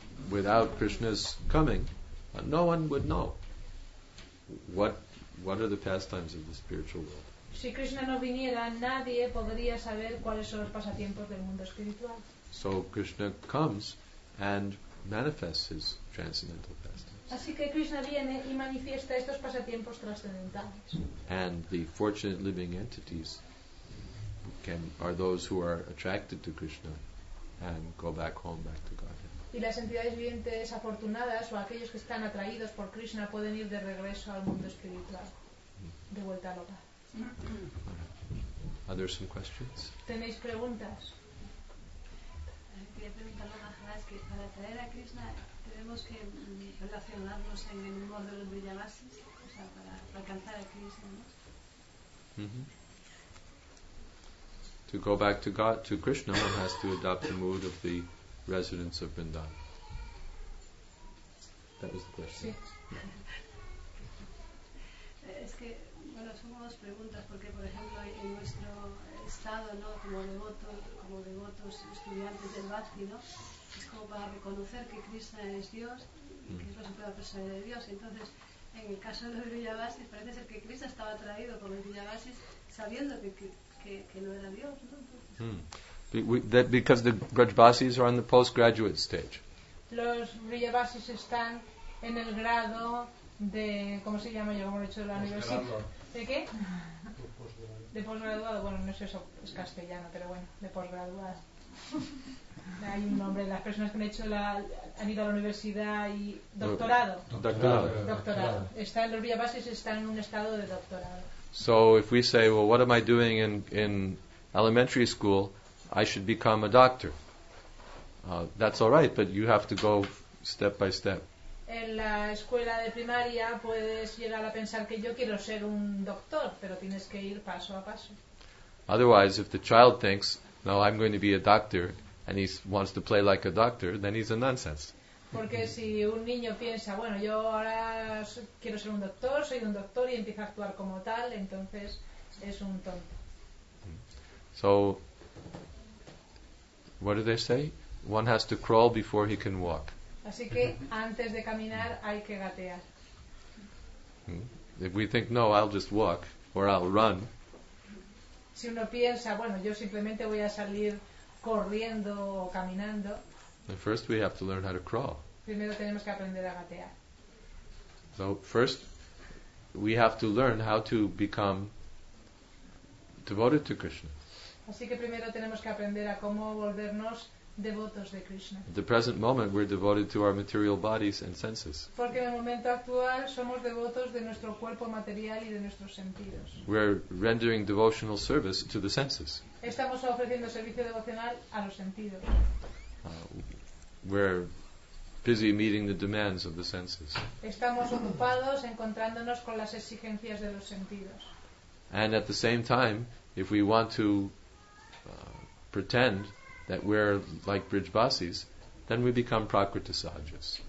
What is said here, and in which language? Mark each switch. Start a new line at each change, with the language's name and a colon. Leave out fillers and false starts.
English: Without Krishna's coming, no one would know what are the pastimes of the spiritual world.
Spanish: Si Krishna no viniera, nadie podría saber cuáles son los pasatiempos del mundo espiritual.
English: So Krishna comes and manifests his transcendental pastimes.
Spanish: Así que Krishna viene y manifiesta estos pasatiempos trascendentales.
English: And the fortunate living entities are those who are attracted to Krishna and go back home, back to Godhead.
Spanish: Y las entidades vivientes afortunadas o aquellos que están atraídos por Krishna pueden ir de regreso al mundo espiritual, de vuelta al hogar.
English: Are there some questions?
Spanish: ¿Tenéis preguntas? Quería preguntarle a Maharaj que para atraer a Krishna tenemos que relacionarnos en el mundo de los Vrijavasis, o sea, para alcanzar a Krishna, ¿no?
English: To go back to God, to Krishna, one has to adopt the mood of the residents of Vrindavan. That was the question.
Spanish: Es que, bueno, son dos preguntas, porque, por ejemplo, en nuestro estado, ¿no?, como devotos estudiantes del Bhakti, ¿no?, es como para reconocer que Krishna es Dios, que es la suprema persona de Dios. Entonces, en el caso de los Vrijavasis, parece ser que Krishna estaba atraído por los Vrijavasis sabiendo que no era Dios, ¿no?
English: Because the Vrijavasis are on the postgraduate stage.
Spanish: Los Vrijavasis están en el grado de, ¿cómo se llama? Yo como he hecho de la universidad. ¿De qué? De posgraduado. Bueno, no es eso, es castellano, pero bueno, de posgraduado. Hay un nombre, las personas que han ido a la universidad y doctorado. Doctorado. Están los Vrijavasis están en un estado de doctorado.
English: So if we say, well, what am I doing in elementary school? I should become a doctor. That's all right, but you have to go step by step.
Spanish: En la escuela de primaria puedes llegar a pensar que yo quiero ser un doctor, pero tienes que ir paso a paso.
English: Otherwise, if the child thinks, no, I'm going to be a doctor, and he wants to play like a doctor, then he's a nonsense.
Spanish: Porque si un niño piensa, bueno, yo ahora quiero ser un doctor, soy un doctor, y empieza a actuar como tal, entonces es un tonto.
English: So, what do they say? One has to crawl before he can walk.
Spanish: Así que antes de caminar hay que gatear.
English: If we think, no, I'll just walk or I'll run.
Spanish: Si uno piensa, bueno, yo simplemente voy a salir corriendo o caminando.
English: Then first we have to learn how to crawl.
Spanish: Primero tenemos que aprender a gatear.
English: So first we have to learn how to become devoted to Krishna.
Spanish: Así que primero tenemos que aprender a cómo volvernos devotos de Krishna.
English: At the present moment we're devoted to our material bodies and senses.
Spanish: Porque en el momento actual somos devotos de nuestro cuerpo material y de nuestros sentidos.
English: We're rendering devotional service to the senses.
Spanish: Estamos ofreciendo servicio devocional a los sentidos.
English: We're busy meeting the demands of the senses.
Spanish: Estamos ocupados encontrándonos con las exigencias de los sentidos.
English: And at the same time, if we want to pretend that we're like Vrijavasis, then we become Prakriti Sahajas.